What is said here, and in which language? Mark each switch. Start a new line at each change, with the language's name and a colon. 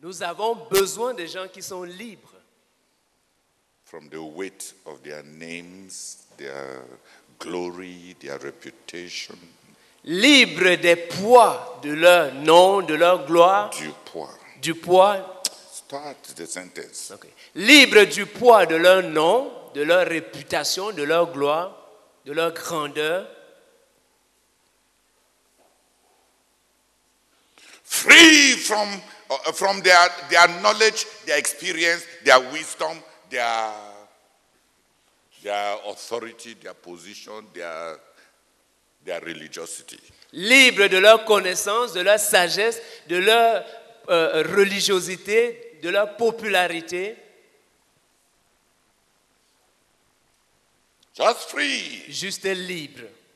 French: Nous avons besoin de gens qui sont libres.
English: From the weight of their names, their glory, their reputation.
French: Libre des poids de leur nom, de leur gloire. Du poids.
English: Start the sentence. Okay.
French: Libre du poids de leur nom, de leur réputation, de leur gloire, de leur grandeur.
English: Free from their knowledge, their experience, their wisdom, their authority, their position, their religiosity.
French: Libre de leur connaissance, de leur sagesse, de leur religiosité, de leur popularité.
English: Just free.
French: Juste libre.